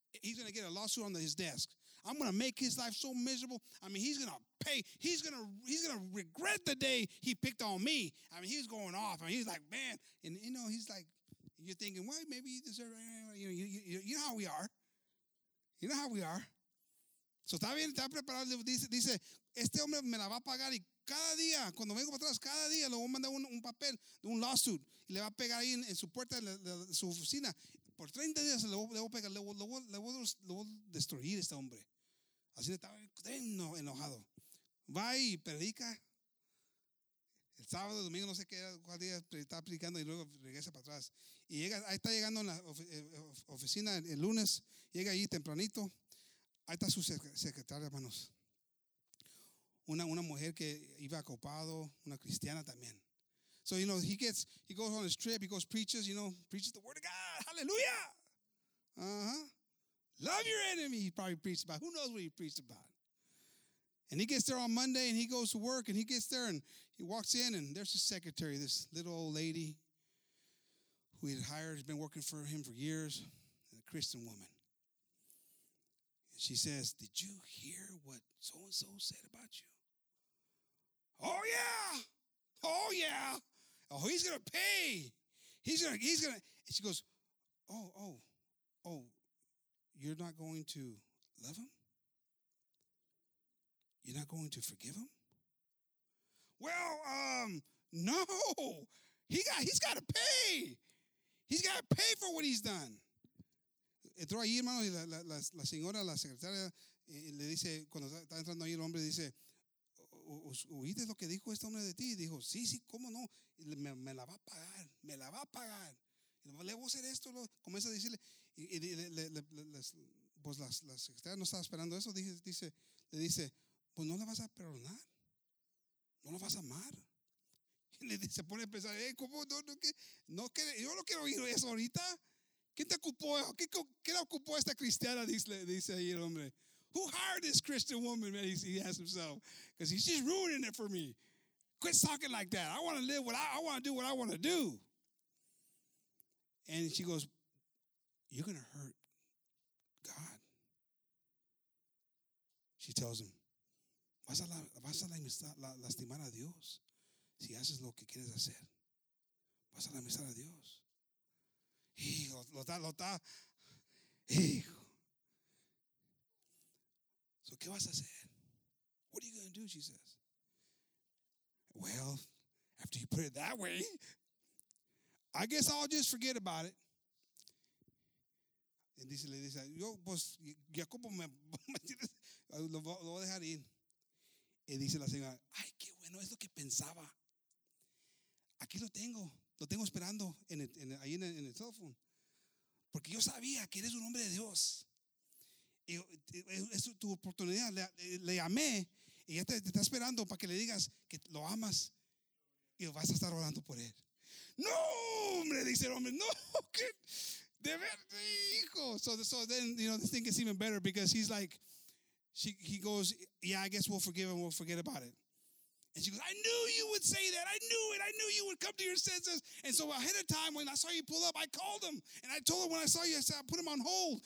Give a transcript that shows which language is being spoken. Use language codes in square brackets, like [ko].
[en] He's going to get a lawsuit on his desk. I'm going to make his life so miserable. I mean, he's going to pay. He's going to regret the day he picked on me. I mean, he's going off. I mean, he's like, man. And, you know, he's like, you're thinking, well, maybe you deserve it. You know how we are. You know how we are. [es] So está bien, está preparado, dice, este hombre me la va a pagar y cada día, cuando vengo para atrás, cada día le voy a mandar un papel, un lawsuit, y le va a pegar ahí en su puerta, en su oficina. Por 30 días le voy a destruir a este hombre. Así estaba enojado. Va y predica. El sábado, el domingo, no sé qué era, cuál día estaba predicando y luego regresa para atrás. Y llega, ahí está llegando en la oficina el lunes, llega ahí tempranito. Ahí está su secretaria, hermanos. Una mujer que iba a copado, una cristiana también. [en] So, you know, he goes on his trip, he goes, preaches, you know, preaches the word of God. Hallelujah. Love your enemy, he probably preached about. Who knows what he preached about? And he gets there on Monday, and he goes to work, and he gets there, and he walks in, and there's his secretary, this little old lady who he had hired, has been working for him for years, and a Christian woman. And she says, did you hear what so-and-so said about you? Oh, yeah. Oh, yeah. Oh, he's going to pay. And she goes, oh, you're not going to love him? You're not going to forgive him? Well, no. He's got to pay. He's got to pay for what he's done. [es] Entró ahí, hermano, y la señora, la secretaria, le dice, cuando está entrando ahí el hombre, dice, ¿oíste lo que dijo este hombre de ti? Dijo, sí, sí, ¿cómo no? Me la va a pagar, me la va a pagar. Le voy a hacer esto, comienza a decirle. La secretaria no estaba esperando eso. Le dice, pues no la vas a perdonar. No la vas a amar. Y le dice, se pone a pensar, ¿cómo? Yo no quiero oír eso ahorita. ¿Quién te ocupó? ¿Qué la ocupó esta cristiana? Dice ahí el hombre. [en] Who hired this Christian woman, man? He asks himself. Because he's just ruining it for me. Quit talking like that. I want to live what I want to do what I want to do. And she goes, you're going to hurt God. She tells him, [es] vas a lastimar a Dios si haces lo que quieres hacer. Vas a lastimar a Dios. Hijo, lo está. Hijo. [en] So, [es] ¿qué vas a hacer? [en] What are you going to do? She says. Well, after you put it that way, I guess I'll just forget about it. [es] And dice, le dice, yo, pues, Jacobo me lo voy a dejar ir. Y dice la señora, ay, qué bueno, es lo que pensaba. Aquí lo tengo esperando ahí en el teléfono. Porque yo sabía que eres un hombre de Dios. Es tu oportunidad, le llamé y ya te está esperando para que le digas que lo amas y vas a estar orando por él. No, hombre, dice el hombre, no, que de verdad, hijo. [en] So then, you know, this thing gets even better because he's like, he goes, yeah, I guess we'll forgive him, we'll forget about it. And she goes, I knew you would say that. I knew it. I knew you would come to your senses. And so ahead of time, when I saw you pull up, I called him. And I told him when I saw you, I said, I put him on hold.